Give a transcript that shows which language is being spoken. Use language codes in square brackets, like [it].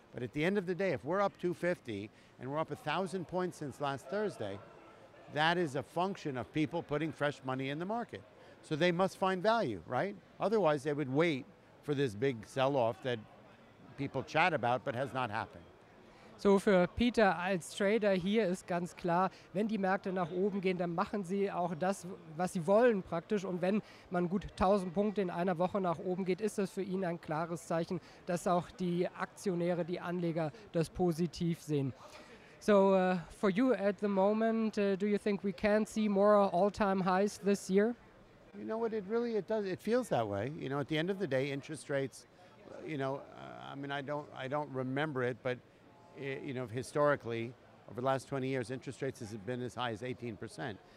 [en] But at the end of the day, if we're up 250 and we're up 1,000 points since last Thursday, that is a function of people putting fresh money in the market. So they must find value, right? Otherwise they would wait for this big sell-off that people chat about but has not happened. [de] So für Peter als Trader hier ist ganz klar, wenn die Märkte nach oben gehen, dann machen sie auch das, was sie wollen praktisch. Und wenn man gut 1000 Punkte in einer Woche nach oben geht, ist das für ihn ein klares Zeichen, dass auch die Aktionäre, die Anleger das positiv sehen. [en] So for you at the moment, do you think we can see more all-time highs this year? You know what, it feels that way. You know, at the end of the day, interest rates, you know, I don't remember it, but historically, over the last 20 years, interest rates have been as high as 18%.